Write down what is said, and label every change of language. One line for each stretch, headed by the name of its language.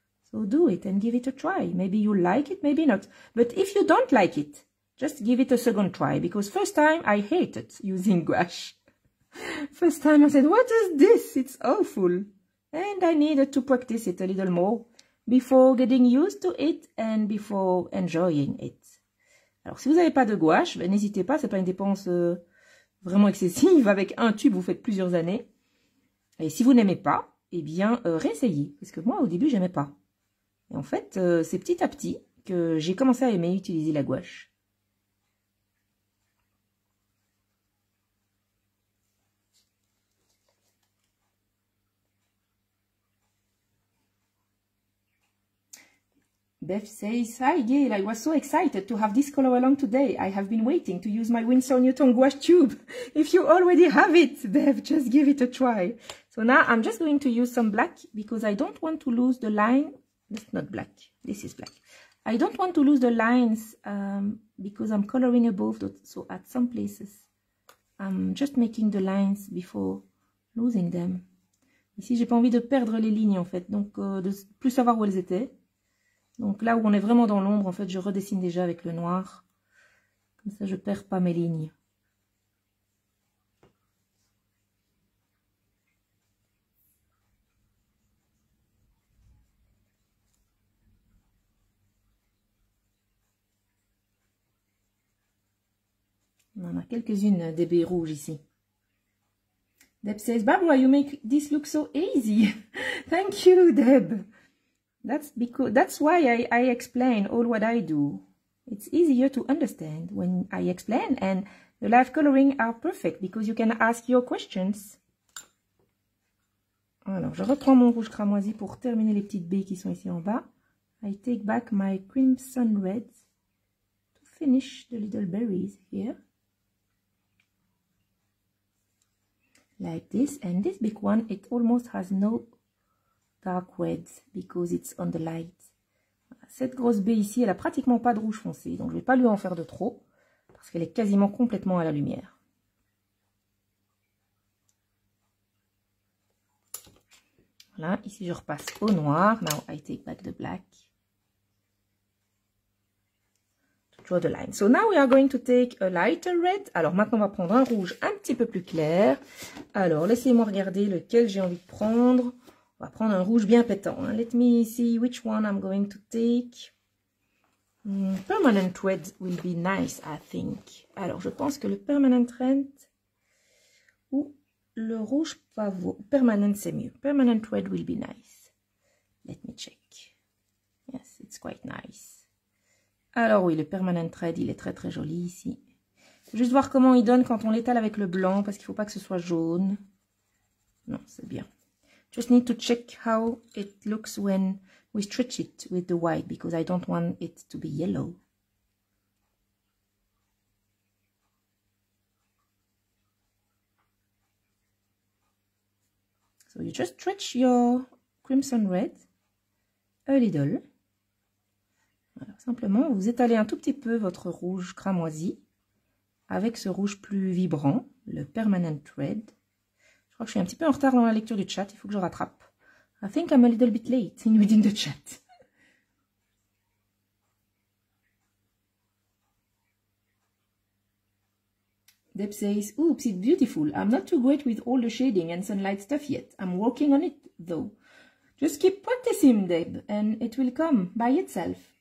English: So do it and give it a try. Maybe you like it, maybe not. But if you don't like it, just give it a second try, because first time I hated using gouache. First time I said, what is this? It's awful. And I needed to practice it a little more. Before getting used to it and before enjoying it.
French: Alors, si vous n'avez pas de gouache, ben, n'hésitez pas, ce n'est pas une dépense vraiment excessive. Avec un tube, vous faites plusieurs années. Et si vous n'aimez pas, eh bien, réessayez. Parce que moi, au début, je n'aimais pas. Et en fait, c'est petit à petit que j'ai commencé à aimer utiliser la gouache.
English: Beth says, hi Gail, I was so excited to have this color along today. I have been waiting to use my Winsor Newton gouache tube. If you already have it, Beth, just give it a try. So now I'm just going to use some black because I don't want to lose the line. It's not black. This is black. I don't want to lose the lines because I'm coloring above. So at some places, I'm just making the lines before losing them.
French: Ici, j'ai pas envie de perdre les lignes en fait. Donc, de plus savoir où elles étaient. Donc là où on est vraiment dans l'ombre, en fait, je redessine déjà avec le noir. Comme ça, je ne perds pas mes lignes. On en a quelques-unes des baies rouges ici.
English: Deb says, Barbara, you make this look so easy. Thank you, Deb. That's why I explain all what I do. It's easier to understand when I explain, and the live coloring are perfect because you can ask your questions.
French: Alors, je reprends mon rouge cramoisi pour terminer les petites baies qui sont ici en bas.
English: I take back my crimson red to finish the little berries here. Like this, and this big one, it almost has no dark red, because it's on the light.
French: Cette grosse baie ici, elle a pratiquement pas de rouge foncé, donc je vais pas lui en faire de trop, parce qu'elle est quasiment complètement à la lumière. Voilà, ici je repasse au noir.
English: Now I take back the black. To draw the line. So now we are going to take a lighter red.
French: Alors maintenant on va prendre un rouge un petit peu plus clair. Alors laissez-moi regarder lequel j'ai envie de prendre. On va prendre un rouge bien pétant. Hein.
English: Let me see which one I'm going to take. Permanent red will be nice, I think.
French: Alors, je pense que le permanent red ou le rouge pavot.
English: Permanent,
French: c'est mieux.
English: Permanent red will be nice. Let me check. Yes, it's quite nice.
French: Alors oui, le permanent red, il est très très joli ici. Juste voir comment il donne quand on l'étale avec le blanc, parce qu'il ne faut pas que ce soit jaune. Non, c'est bien.
English: Just need to check how it looks when we stretch it with the white, because I don't want it to be yellow. So you just stretch your crimson red a little.
French: Voilà, simplement, vous étalez un tout petit peu votre rouge cramoisi avec ce rouge plus vibrant, le permanent red. Je crois que je suis un petit peu en retard dans la lecture du chat, il faut que je rattrape.
English: I think I'm a little bit late in reading the chat. Deb says, oops, it's beautiful. I'm not too great with all the shading and sunlight stuff yet. I'm working on it, though. Just keep practicing, Deb, and it will come by itself.